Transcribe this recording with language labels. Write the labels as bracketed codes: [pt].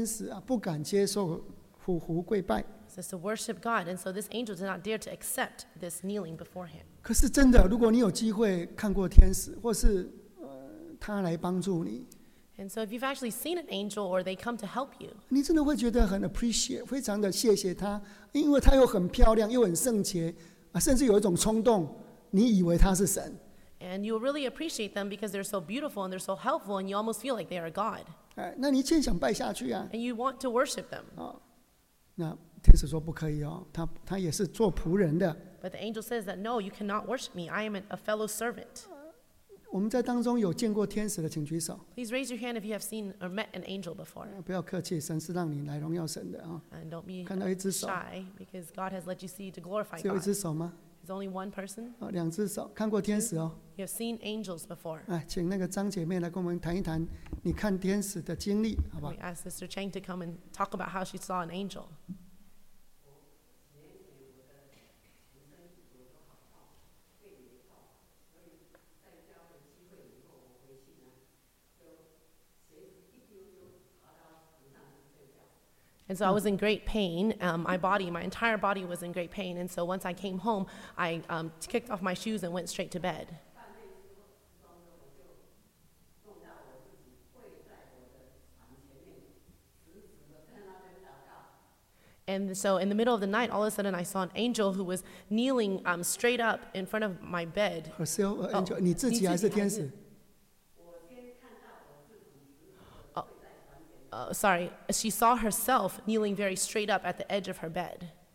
[zh] 姐妹请你读，你叫黄什么？啊，林真呐，对不起，来，请读。第九节。 [en] Verse 9。 [zh] 你要敬拜神，所以这个天使不敢接受虎虎跪拜。 [en] Says to worship God, and so this angel did not dare to accept this kneeling before him. [zh] 可是真的，如果你有机会看过天使，或是他来帮助你。 [en] And so if you've actually seen an angel or they come to help you, [zh] 你真的会觉得很 appreciate, 非常的谢谢他, 因为他又很漂亮, 又很圣洁, 甚至有一种冲动, 你以为他是神。 [en] And you'll really appreciate them because they're so beautiful and they're so helpful and you almost feel like they are God. [zh] 那你却想拜下去啊。 [en] And you want to worship them. [zh] 那天使说不可以哦, 他也是做仆人的。 [en] But the angel says that, no, you cannot worship me. I am a fellow servant. [zh] 我们在当中有见过天使的，请举手。 [en] Please raise your hand if you have seen or met an angel before. [zh] 不要客气，神是让你来荣耀神的啊。 [en] And don't be shy because God has let you see to glorify God. [zh] 只有一只手吗？ [en] Is It's only one person. [zh] 啊，两只手，看过天使哦。 [en] You've seen angels before. [zh] 啊，请那个张姐妹来跟我们谈一谈你看天使的经历，好不好？ [en] We ask Sister Chang to come and talk about how she saw an angel. 嗯。And so I was in great pain. My entire body was in great pain. And so once I came home, I kicked off my shoes and went straight to bed. And so in the middle of the night, all of a sudden I saw an angel who was kneeling straight up in front of my bed. Herself, angel, [zh] 你自己还是天使？ [en] Sorry, she saw herself kneeling very straight up at the edge of her bed.